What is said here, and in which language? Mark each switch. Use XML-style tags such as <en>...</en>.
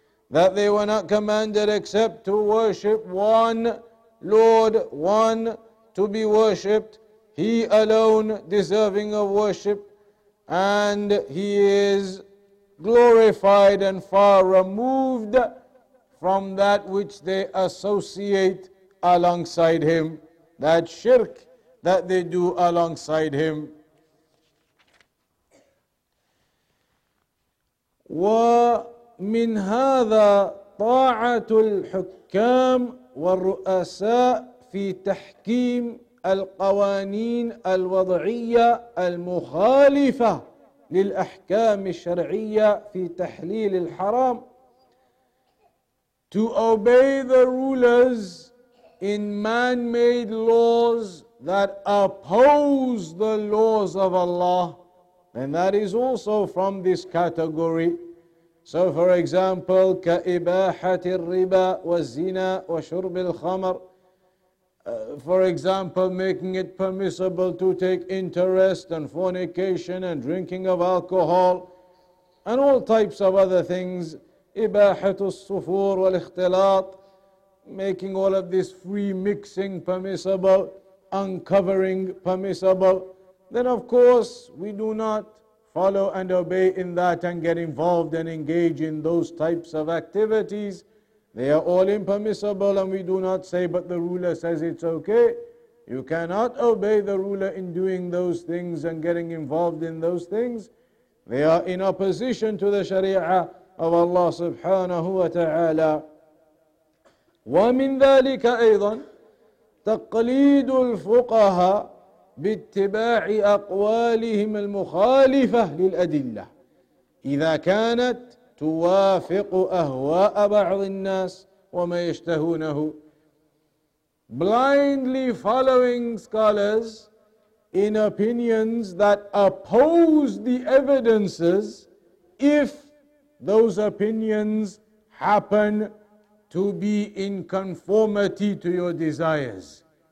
<en>That they were not commanded except to worship one Lord, one to be worshipped, He alone deserving of worship, and He is glorified and far removed from that which they associate alongside Him, that shirk that they do alongside Him.</en> <ar>وَمِنْ هَذَا طَاعَةُ الْحُكَّامِ والرؤساء في تحكيم القوانين الوضعية المخالفة للأحكام الشرعية في تحليل الحرام.</ar> <en>To obey the rulers in man-made laws that oppose the laws of Allah, and that is also from this category. So for example,</en> <ar>كإباحة الربا والزنا وشرب الخمر.</ar> <en>For example, making it permissible to take interest and fornication and drinking of alcohol and all types of other things.</en> <ar>إباحة الصفور والاختلاط.</ar> <en>Making all of this free mixing permissible, uncovering permissible. Then of course, we do not follow and obey in that and get involved and engage in those types of activities. They are all impermissible and we do not say, but the ruler says it's okay. You cannot obey the ruler in doing those things and getting involved in those things. They are in opposition to the sharia of Allah subhanahu wa ta'ala.</en> <ar>وَمِنْ ذَلِكَ أَيْضًا تَقْلِيدُ الْفُقَهَا باتباع أقوالهم المخالفة للأدلة إذا كانت توافق أهواء بعض الناس وما يشتهونه.</ar> <en>Blindly following scholars in opinions that oppose the evidences if those opinions happen to be in conformity to your desires.</en>